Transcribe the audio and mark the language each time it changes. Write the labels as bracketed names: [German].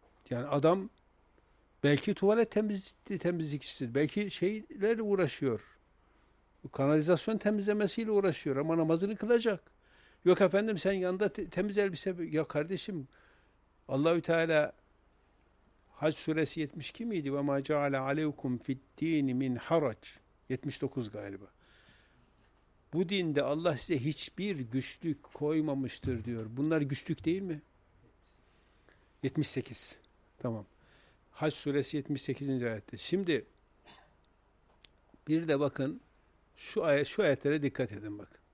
[Turkish] Yani adam belki tuvalet temizlikçisi, belki şeylerle uğraşıyor. Kanalizasyon temizlemesiyle uğraşıyor ama namazını kılacak. Yok efendim sen yanında temiz elbise, ya kardeşim Allah-u Teala Hac suresi 72 miydi? [Arabic] وَمَا جَعَلَ عَلَيْكُمْ فِي الدِّينِ مِنْ حَرَجٍ [Turkish] 79 galiba. Bu dinde Allah size hiçbir güçlük koymamıştır diyor. Bunlar güçlük değil mi? 78. Tamam. Hac suresi 78. ayette. Şimdi bir de bakın şu ayet, şu ayetlere dikkat edin bak.